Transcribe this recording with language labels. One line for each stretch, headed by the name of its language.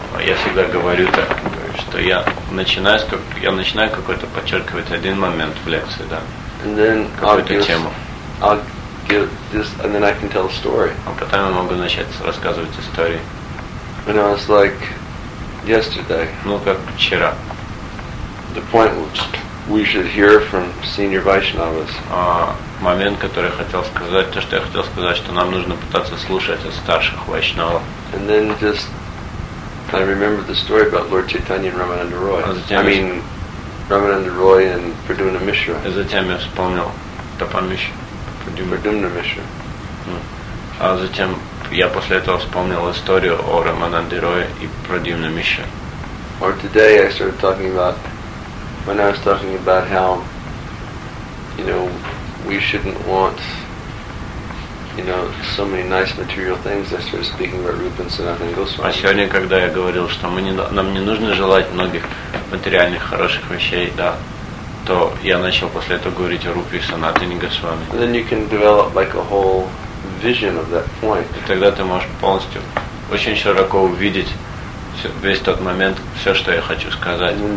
Russian: Я всегда говорю так, что я начинаю какой-то подчеркивать один момент в лекции, да.
English: And then
Russian: какую-то тему.
English: I'll give this, and then I can tell a story.
Russian: А потом я могу начать рассказывать истории.
English: And I was like yesterday.
Russian: Ну как вчера.
English: the point which we should hear from senior Vaishnavas.
Russian: Момент, который я хотел сказать, то, что я хотел сказать, что нам нужно пытаться слушать от старших вайшнавов.
English: And then just I remember the story about Lord Chaitanya and Ramananda Roy. Ramananda Roy and Pradyumna Mishra.
Russian: И затем я вспомнил
English: Pradyumna Mishra.
Russian: А затем я после этого вспомнил историю о Рамананде Рое и Pradyumna Mishra.
English: Or today I started talking about when I was talking about how, you know, we shouldn't want, you know, so many nice material things. I started speaking about Rupa and Sanatana Goswami.
Russian: А сегодня, когда я говорил, что нам не нужно желать многих материальных хороших вещей, да, то я начал после этого говорить о Рупе и Санатане Госвами.
English: Then you can develop like a whole vision of that point.
Russian: И тогда ты можешь полностью, очень широко увидеть весь тот момент, все, что я хочу сказать.